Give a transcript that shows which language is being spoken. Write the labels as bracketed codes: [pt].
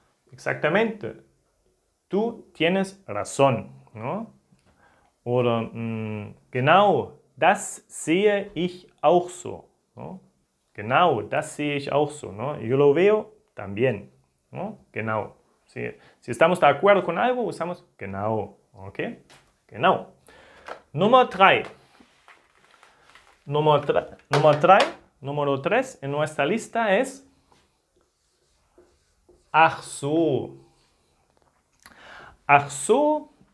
[es] Exactamente, du tienes razón. No? [de] Oder genau, das sehe ich auch so. No? Genau, das sehe ich auch so. [es] No? Yo lo veo también. No? Genau. Si estamos de acuerdo con algo, usamos genau. Okay? Genau. Número tres en nuestra lista es ach so. Ach so.